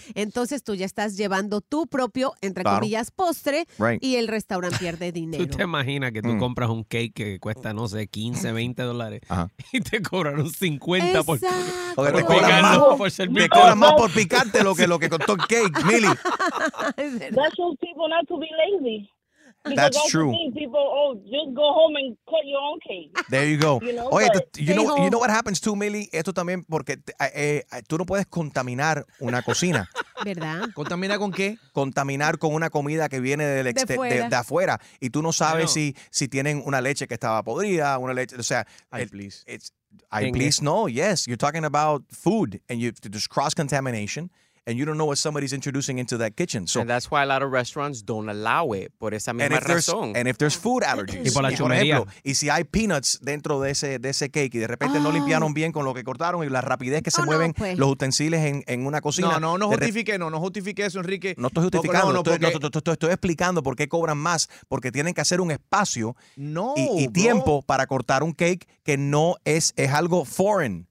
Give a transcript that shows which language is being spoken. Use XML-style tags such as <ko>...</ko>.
<es>Entonces tú ya estás llevando tu propio, entre comillas, postre y el restaurante pierde dinero. ¿Tú te imaginas que tú compras un cake que cuesta, no sé, 15, 20 dólares y te cobraron 50 por picarte lo que costó el cake, Millie?</es> <en>That shows people not to be lazy. Because that's true. People, just go home and cut your own cake. There you go. You know, oye, you know what happens too, Millie?</en> <es>Esto también porque tú no puedes contaminar una cocina. ¿Verdad? ¿Contaminar con qué? Contaminar con una comida que viene de afuera. Y tú no sabes si tienen una leche que estaba podrida, una leche, o sea.</es> <en>Yes. You're talking about food and there's cross-contamination. And you don't know what somebody's introducing into that kitchen. So, and that's why a lot of restaurants don't allow it.</en> <es>Por esa misma razón.</es> <en>And if there's food allergies.</en> <es>Y por la chumería. Ejemplo, y si hay peanuts dentro de ese cake y de repente no limpiaron bien con lo que cortaron y la rapidez que se mueven los utensilios en una cocina. No justifique eso, Enrique. No estoy justificando. Estoy explicando por qué cobran más. Porque tienen que hacer un espacio y tiempo para cortar un cake que no es algo foreign.</es>